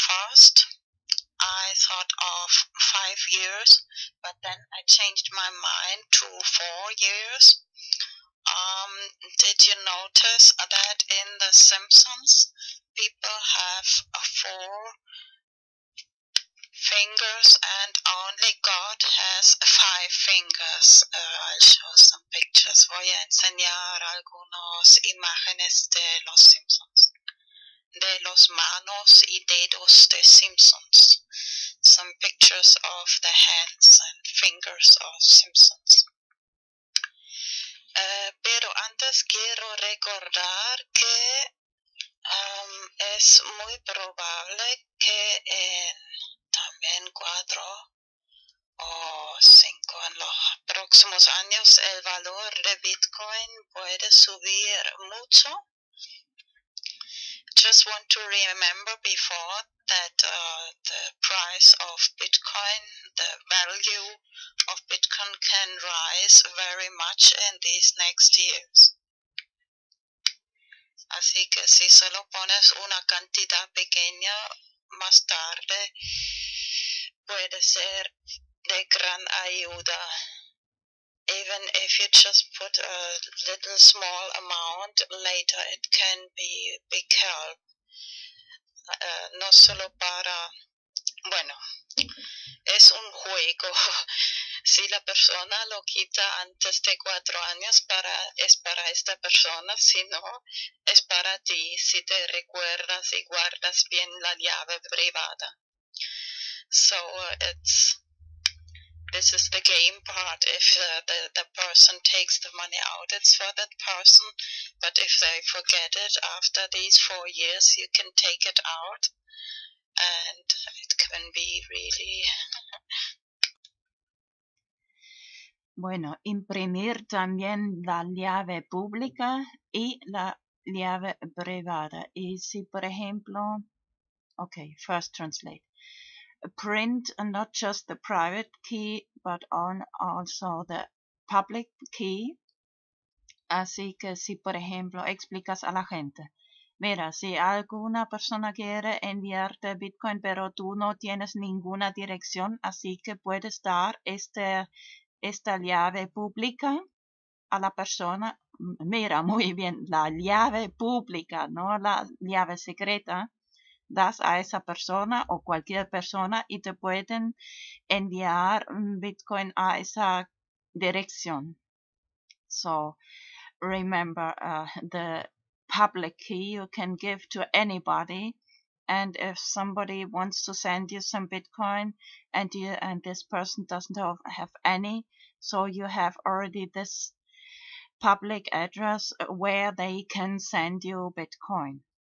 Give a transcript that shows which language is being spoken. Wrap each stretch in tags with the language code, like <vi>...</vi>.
<en>First, I thought of 5 years, but then I changed my mind to 4 years. Did you notice that in The Simpsons, people have 4 fingers and only God has 5 fingers. I'll show some pictures.</en> <es>Voy a enseñar algunas imágenes de los Simpsons. De los manos y dedos de Simpsons. Some pictures of the hands and fingers of Simpsons. Pero antes quiero recordar que es muy probable que en también 4 o 5 en los próximos años el valor de Bitcoin puede subir mucho.</es> <en>just want to remember before that the price of Bitcoin, the value of Bitcoin can rise very much in these next years.</en> <es>Así que si solo pones una cantidad pequeña, más tarde puede ser de gran ayuda.</es> <en>Even if you just put a little small amount, later it can be big help.</en> <es>No solo para, bueno, es un juego. Si la persona lo quita antes de 4 años, es para esta persona. Si no, es para ti, si te recuerdas y guardas bien la llave privada.</es> <en>So it's, this is the game part. If the person takes the money out, it's for that person. But if they forget it after these 4 years, you can take it out. And it can be really...</en> <es>Bueno, imprimir también la llave pública y la llave privada. Y si, por ejemplo,</es> <en>okay, first translate. Print not just the private key, but on also the public key.</en> <es>Así que si, por ejemplo, explicas a la gente. Mira, si alguna persona quiere enviarte Bitcoin, pero tú no tienes ninguna dirección, así que puedes dar esta llave pública a la persona. Mira, muy bien, la llave pública, no la llave secreta. Das a esa persona o cualquier persona y te pueden enviar Bitcoin a esa dirección.</es> <en>So, remember, the public key you can give to anybody. And if somebody wants to send you some Bitcoin and this person doesn't have any, so you have already this public address where they can send you Bitcoin.</en>